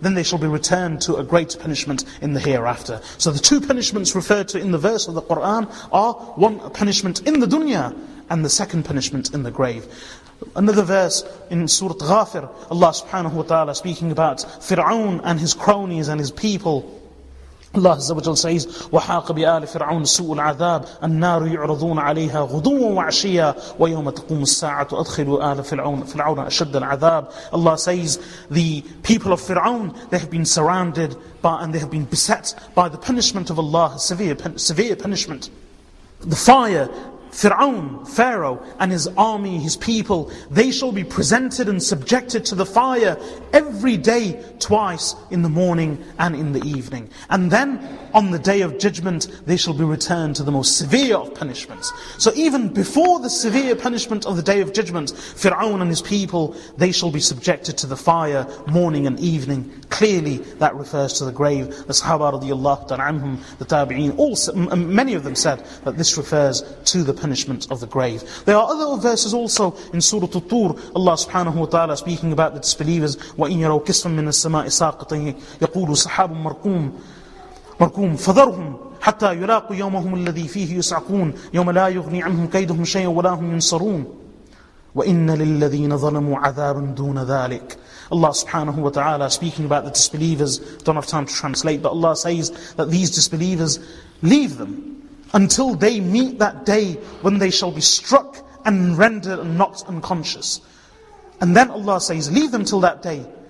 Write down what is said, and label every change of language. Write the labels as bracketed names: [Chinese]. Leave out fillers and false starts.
[English] Then they shall be returned to a great punishment in the hereafter. So the two punishments referred to in the verse of the Qur'an are one punishment in the dunya and the second punishment in the grave. Another verse in Surah Ghafir, Allah subhanahu wa ta'ala speaking about Fir'aun and his cronies and his people. Allah Azza wa Jalla says, [Arabic] وَحَاقَ بِآلِ فِرْعَوْنَ سُوءُ الْعَذَابِ النَّارُ يُعْرَضُونَ عَلَيْهَا غُدُوًّا وَعَشِيًّا وَيَوْمَ تَقُومُ السَّاعَةُ أَدْخِلُوا آلَ فِرْعَوْنَ أَشَدَّ الْعَذَابِ. [English] Allah says, the people of Fir'aun, they have been surrounded by and they have been beset by the punishment of Allah, severe punishment. The fire, Fir'aun, Pharaoh, and his army, his people, they shall be presented and subjected to the fire every day, twice, in the morning and in the evening. And then, on the day of judgment, they shall be returned to the most severe of punishments. So even before the severe punishment of the day of judgment, Fir'aun and his people, they shall be subjected to the fire, morning and evening. Clearly, that refers to the grave. The Sahaba radiallahu ta'ala anhum, the Tabi'een, also, many of them said that this refers to the punishment of the grave. There are other verses also in Surah At-Tur, Allah subhanahu wa ta'ala speaking about the disbelievers, [Arabic] وَإِنْ يَرَوْ كِسْفًا مِنَ السَّمَاءِ سَاقِطًا يَقُولُ سَحَابٌ مَرْكُومٌ فَذَرْهُمْ حَتَّى يُلَاقُوا يَوْمَهُمُ الَّذِي فِيهِ يُسْعَقُونَ يَوْمَ لَا يُغْنِي عَنْهُمْ كَيْدُهُمْ شَيْئًا وَلَا هُمْ يُنْصَرُونَ وَإِنَّ لِلَّذِينَ ظَلَمُوا عَذَابٌ دُونَ ذَٰلِكَ. [English] Allah subhanahu wa ta'ala speaking about the disbelievers, don't have time to translate, but Allah says that these disbelievers, leave them until they meet that day when they shall be struck and rendered not unconscious. And then Allah says, leave them till that day.